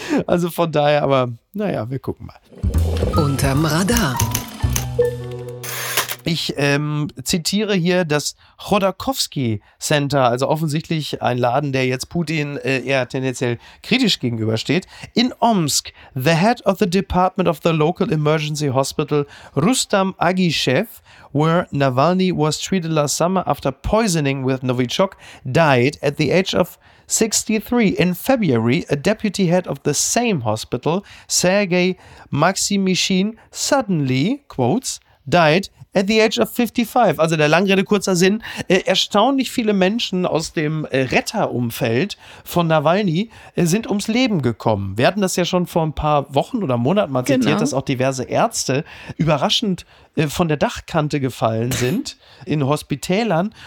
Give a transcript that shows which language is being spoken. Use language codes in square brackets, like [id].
[de] Also von daher, aber naja, wir gucken mal. Unterm Radar. Ich zitiere hier das Chodorkowski Center, also offensichtlich ein Laden, der jetzt Putin eher tendenziell kritisch gegenübersteht. [en] In Omsk, the head of the department of the local emergency hospital, Rustam Agishev, where Navalny was treated last summer after poisoning with Novichok, died at the age of 63. In February, a deputy head of the same hospital, Sergei Maximishin, suddenly, quotes, died at the age of 55. [de] Also der Langrede kurzer Sinn. Erstaunlich viele Menschen aus dem Retterumfeld von Nawalny sind ums Leben gekommen. Wir hatten das ja schon vor ein paar Wochen oder Monaten mal zitiert, genau, dass auch diverse Ärzte überraschend von der Dachkante gefallen sind in Hospitälern.